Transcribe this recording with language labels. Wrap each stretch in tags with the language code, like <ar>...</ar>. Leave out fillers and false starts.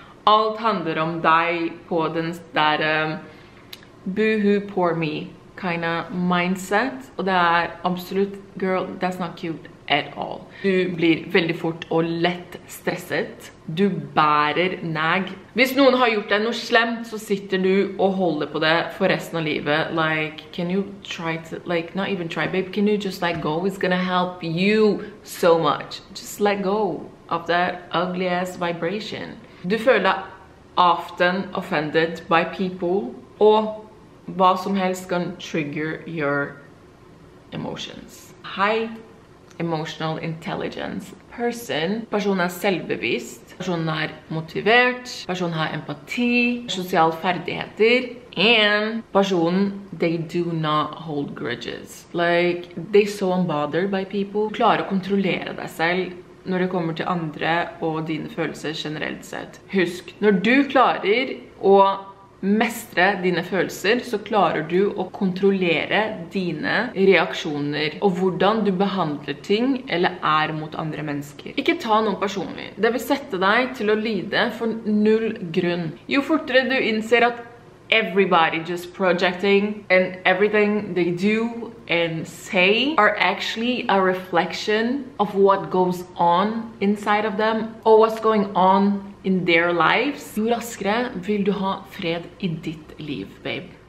<no>Alt handler om deg på den der boohoo,</no> <en>poor me kind of mindset.</en> <no>Og det er absolutt,</no> <en>girl, that's not cute at all.</en> <no>Du blir veldig fort og lett stresset. Du bærer nag. Hvis noen har gjort deg noe slemt, så sitter du og holder på det for resten av livet.</no> <en>Like, can you try to, like, not even try, babe. Can you just let go? It's gonna help you so much. Just let go of that ugly ass vibration.</en> <no>Du føler deg</no> <en>often offended by people.</en> <no>Og hva som helst kan</no> <en>trigger your emotions. High emotional intelligence person.</en> <no>Personen er selvbevisst. Personen er motivert, personen har empati, sosiale ferdigheter, and personen,</no> <en>they do not hold grudges. Like, they're so unbothered by people.</en> <no>Du klarer å kontrollere deg selv når det kommer til andre og dine følelser generelt sett. Husk, når du klarer å mestre dine følelser, så klarer du å kontrollere dine reaksjoner og hvordan du behandler ting eller er mot andre mennesker. Ikke ta noen personlig. Det vil sette deg til å lide for null grunn. Jo fortere du innser at</no> <en>everybody just projecting and everything they do and say are actually a reflection of what goes on inside of them or what's going on in their lives,</en> <no>jo raskere vil du ha fred i ditt liv, babe.</no>